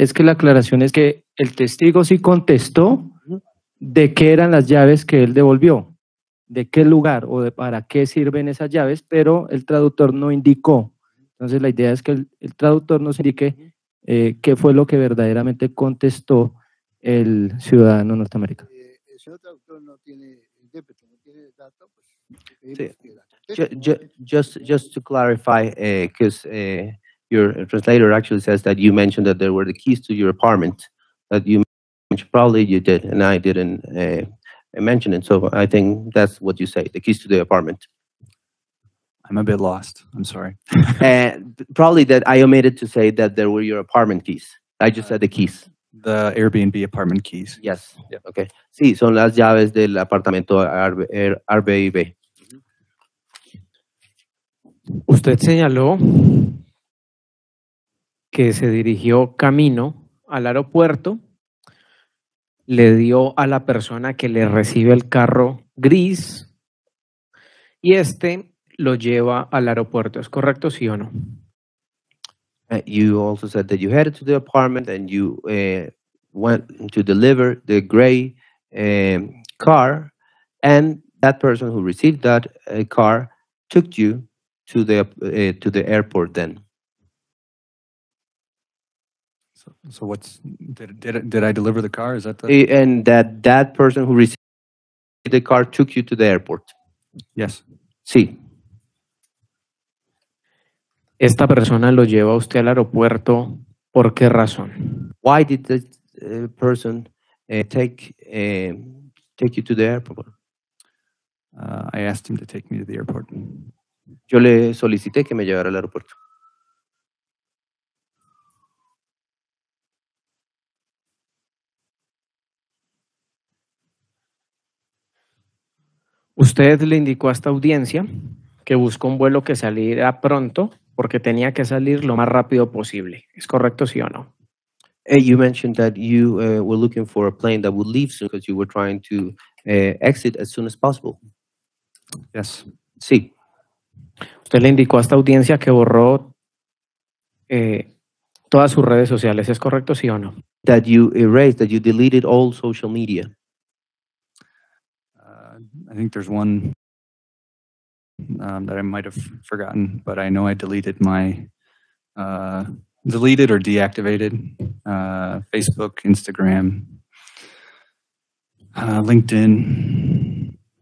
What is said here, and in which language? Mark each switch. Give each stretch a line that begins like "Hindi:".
Spanish: Es que la aclaración es que el testigo sí contestó de qué eran las llaves que él devolvió, de qué lugar o de para qué sirven esas llaves, pero el traductor no indicó. Entonces la idea es que el traductor nos indique qué fue lo que verdaderamente contestó el ciudadano norteamericano. El señor traductor no tiene intérprete, no tiene dato. Pues,
English: just to clarify, because your translator actually says that you mentioned that there were the keys to your apartment, that you mentioned, probably you did, and I didn't mention it. So I think that's what you say, the keys to the apartment. I'm a bit lost. I'm sorry. probably that I omitted to say that there were your apartment keys. I just said the keys. The Airbnb apartment keys. Yes. Yeah. Okay.
Spanish: Sí, son las llaves del apartamento Airbnb. Usted señaló que se dirigió camino al aeropuerto, le dio a la persona que le recibe el carro gris y este lo lleva al aeropuerto. ¿Es correcto, sí o no?
English: You also said that you headed to the apartment and you went to deliver the gray car, and that person who received that car took you to the airport then. So what's did I deliver the car? Is that the... And that person who received the car took you to the airport? Yes.
Spanish: Sí. Esta persona lo lleva a usted al aeropuerto, ¿por qué razón?
English: Why did the person take you to the airport? I asked him to take me to the airport.
Spanish: Yo le solicité que me llevara al aeropuerto. Usted le indicó a esta audiencia que buscó un vuelo que saliera pronto porque tenía que salir lo más rápido posible. ¿Es correcto, sí o no?
English: Hey, you mentioned that you were looking for a plane that would leave soon because you were trying to exit as soon as possible. Yes.
Spanish: Sí. Usted le indicó a esta audiencia que borró todas sus redes sociales. ¿Es correcto, sí o no?
English: That you erased, that you deleted all social media. I think there's one that I might have forgotten, but I know I deleted my deleted or deactivated Facebook, Instagram, LinkedIn.